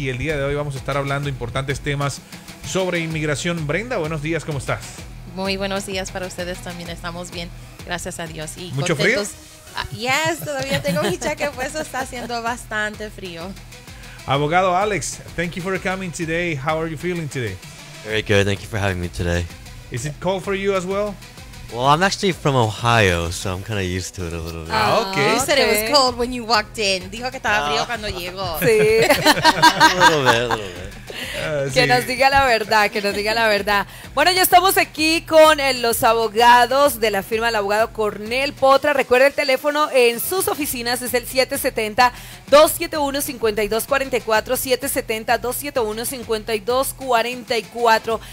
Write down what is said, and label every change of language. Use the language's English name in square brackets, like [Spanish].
[Spanish] Y el día de hoy vamos a estar hablando importantes temas sobre inmigración. Brenda, buenos días, ¿cómo estás? Muy buenos días para ustedes también, estamos bien, gracias a Dios. Y ¿mucho frío? [English] Yes, [Spanish] todavía tengo mi chaqueta puesto, está haciendo bastante frío. [English] Abogado Alex, thank you for coming today. How are you feeling today? Very good, thank you for having me today. Is it cold for you as well? Well, I'm actually from Ohio, so I'm kind of used to it a little bit. Ah, okay. You said it was cold when you walked in. [Spanish] Dijo que estaba frío cuando llegó. Sí. [English] a little bit. [Spanish] Que sí. Nos diga la verdad, que nos diga la verdad. Bueno, ya estamos aquí con los abogados de la firma del abogado Cornel Potra. Recuerda el teléfono en sus oficinas, es el 770-271-5244, 770-271-5244.